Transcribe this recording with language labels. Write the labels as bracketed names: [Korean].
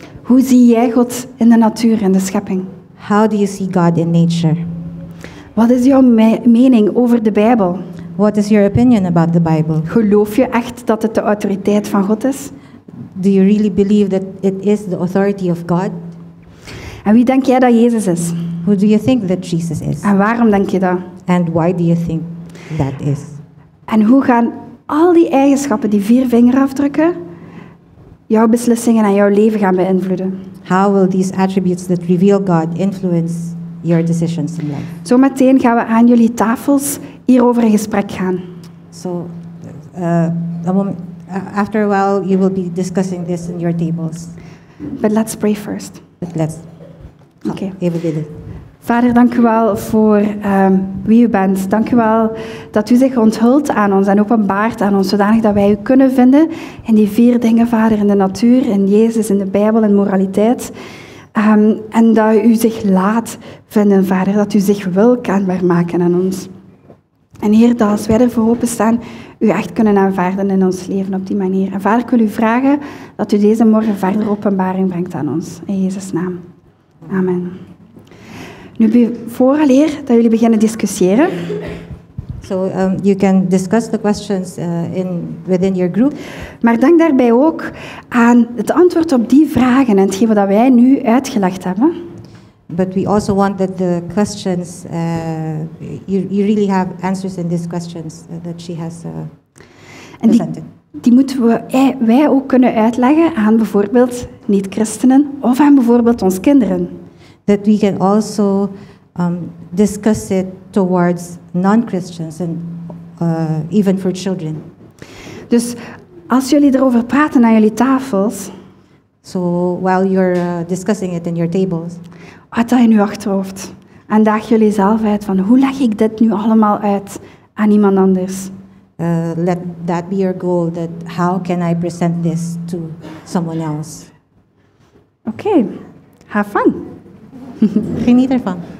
[Dutch] Hoe zie jij God in de natuur en de schepping? [English] How do you see God in nature? [Dutch] Wat is jouw mening over de Bijbel? [English] What is your opinion about the Bible? [Dutch] Geloof je echt dat het de autoriteit van God is? [English] Do you really believe that it is the authority of God? [Dutch] En wie denk jij dat Jezus is? [English] Who do you think that Jesus is? [Dutch] En waarom denk je dat? [English] And why do you think that is? [Dutch] En hoe gaan al die eigenschappen, die vier vingerafdrukken, jouw beslissingen en jouw leven gaan beïnvloeden? [English] How will these attributes that reveal God influence your decisions in life? [Dutch] Zo meteen gaan we aan jullie tafels hierover in gesprek gaan. [English] So, after a while you will be discussing this in your tables. But let's pray first. But let's. Okay. Even did it. [Dutch] Vader, dank u wel voor wie u bent. Dank u wel dat u zich onthult aan ons en openbaart aan ons, zodanig dat wij u kunnen vinden in die vier dingen, Vader, in de natuur, in Jezus, in de Bijbel, in moraliteit. En dat u zich laat vinden, Vader, dat u zich wil kenbaar maken aan ons. En Heer, dat als wij ervoor openstaan, u echt kunnen aanvaarden in ons leven op die manier. En Vader, ik wil u vragen dat u deze morgen verder openbaring brengt aan ons. In Jezus' naam. Amen. Nu vooraleer dat jullie beginnen discussiëren. [English] So you can discuss the questions within your group. [Dutch] Maar denk daarbij ook aan het antwoord op die vragen en hetgeen wat wij nu uitgelegd hebben. [English] But we also want that the questions you really have answers in these questions that she has presented. [Dutch] Die moeten wij ook kunnen uitleggen aan bijvoorbeeld niet-christenen of aan bijvoorbeeld onze kinderen. [English] That we can also discuss it towards non-Christians and even for children. [Dutch] Dus als jullie erover praten aan jullie tafels. [English] So while you're discussing it in your tables. [Dutch] Houd dat in uw achterhoofd. En daag jullie zelf uit van hoe leg ik dit nu allemaal uit aan iemand anders. [English] Let that be your goal, that how can I present this to someone else. Okay, have fun. [Dutch] Geniet ervan.